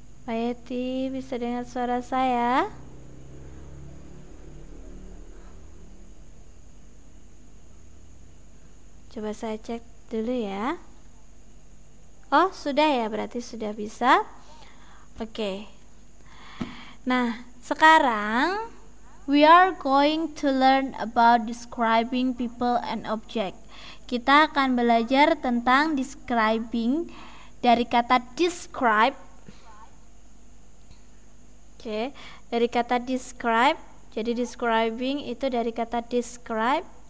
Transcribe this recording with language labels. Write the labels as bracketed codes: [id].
[id] Mbak Yeti, bisa dengar suara saya? Coba saya cek dulu ya. Oh, sudah ya, berarti sudah bisa. Oke. Nah, sekarang [en] we are going to learn about describing people and object. [id] Kita akan belajar tentang describing dari kata describe. Oke, dari kata describe. Jadi describing itu dari kata describe.